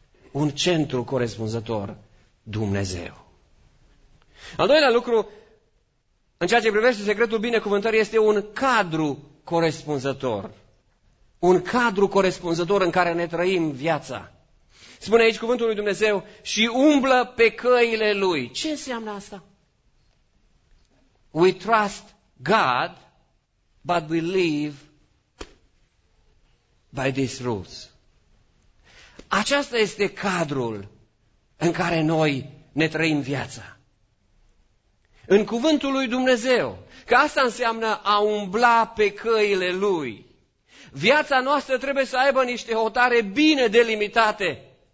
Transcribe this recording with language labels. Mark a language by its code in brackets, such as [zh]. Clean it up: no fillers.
[ro] Un centru corespunzător, Dumnezeu. Al doilea lucru, în ceea ce privește secretul binecuvântării, este un cadru corespunzător. Un cadru corespunzător în care ne trăim viața. Spune aici cuvântul lui Dumnezeu, și umblă pe căile Lui. Ce înseamnă asta? [en] We trust God, but we live by these rules. [ro] Aceasta este cadrul în care noi ne trăim viața. În cuvântul lui Dumnezeu. Că asta înseamnă a umbla pe căile Lui. Viața noastră trebuie să aibă niște hotare bine delimitate.